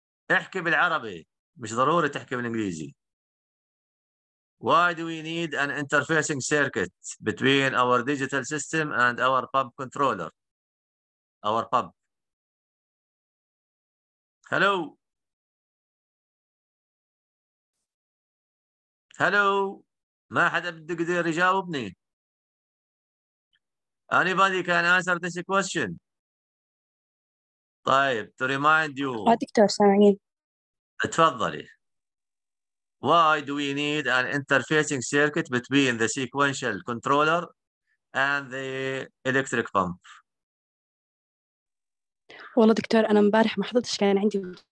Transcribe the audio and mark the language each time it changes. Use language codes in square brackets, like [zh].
[ar] احكي بالعربي، مش ضروري تحكي بالانجليزي. [en] Why do we need an interfacing circuit between our digital system and our pump controller? our pub. Hello. [ar] Hello. ما حدا بده قدر يجاوبني. [en] Anybody can answer this question? طيب, to remind you. [ar] دكتور سامعني. اتفضلي. [en] Why do we need an interfacing circuit between the sequential controller and the electric pump? [ar] والله دكتور أنا مبارح ما حضرتش كان عندي